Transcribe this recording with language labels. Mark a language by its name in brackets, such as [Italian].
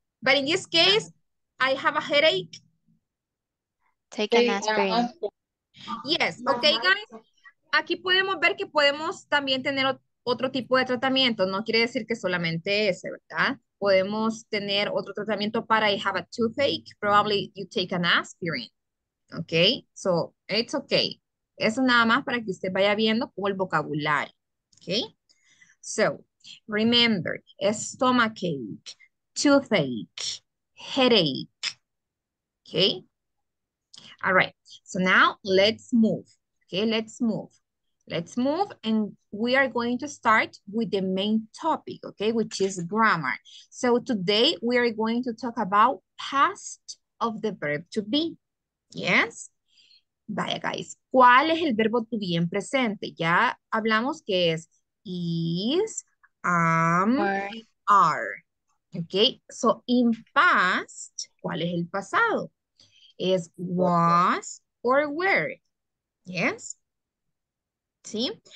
[English] But in this case, I have a headache. Take an aspirin. Yes. Okay, guys. [Spanish] Aquí podemos ver que podemos también tener otro tipo de tratamiento. No quiere decir que solamente ese, ¿verdad? Podemos tener otro tratamiento para [English] I have a toothache. Probably you take an aspirin. Okay. So it's okay. [Spanish] Eso nada más para que usted vaya viendo como el vocabulario. [English] Okay, so remember, stomachache, toothache, headache, okay? All right, so now let's move, okay? Let's move. let's move, and we are going to start with the main topic, okay, which is grammar. So today we are going to talk about past of the verb to be. Yes? [Spanish] Vaya, [English] guys. [Spanish] ¿Cuál es el verbo to be en presente? Ya hablamos que es is, am, are. Okay? [English] So in past, [Spanish] ¿cuál es el pasado? [English] Is was or were. Yes? [Spanish] ¿Sí?